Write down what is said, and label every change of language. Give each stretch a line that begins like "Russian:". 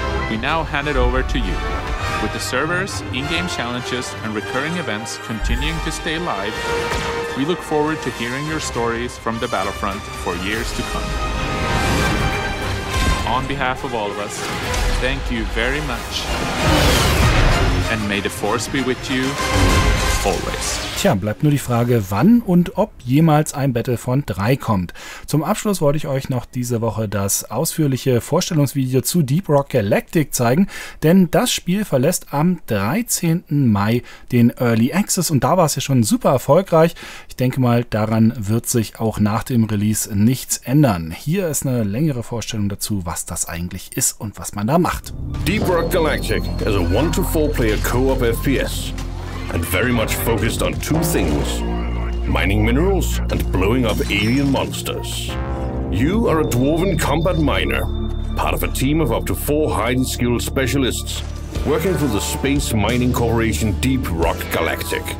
English: We now hand it over to you. With the servers, in-game challenges, and recurring events continuing to stay live, we look forward to hearing your stories from the Battlefront for years to come. On behalf of all of us, thank you very much. And may the Force be with you always.
German: Tja, bleibt nur die Frage, wann und ob jemals ein Battlefront 3 kommt. Zum Abschluss wollte ich euch noch diese Woche das ausführliche Vorstellungsvideo zu Deep Rock Galactic zeigen, denn das Spiel verlässt am 13. Mai den Early Access und da war es ja schon super erfolgreich. Ich denke mal, daran wird sich auch nach dem Release nichts ändern. Hier ist eine längere Vorstellung dazu, was das eigentlich ist und was man da macht.
English: Deep Rock Galactic is a 1-4 player co-op FPS. And very much focused on two things, mining minerals and blowing up alien monsters. You are a dwarven combat miner, part of a team of up to 4 highly skilled specialists, working for the space mining corporation Deep Rock Galactic.